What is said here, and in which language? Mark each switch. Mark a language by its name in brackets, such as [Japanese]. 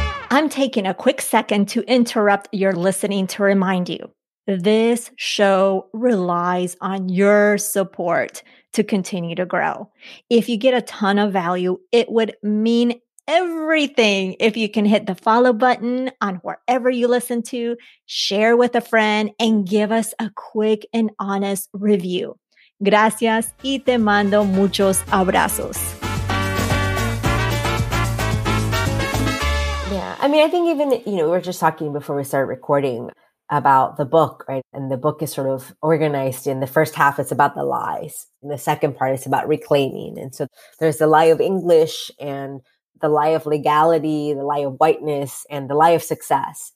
[English] I'm taking a quick second to interrupt your listening to remind you, this show relies on your support to continue to grow. If you get a ton of value, it would mean everything if you can hit the follow button on wherever you listen to, share with a friend, and give us a quick and honest review. [Spanish] Gracias y te mando muchos abrazos. [English] Yeah, I mean, I think even, you know, we were just talking before we started recording about the book, right? And the book is sort of organized in the first half, it's about the lies. And the second part is about reclaiming. And so there's the lie of English and the lie of legality, the lie of whiteness, and the lie of success.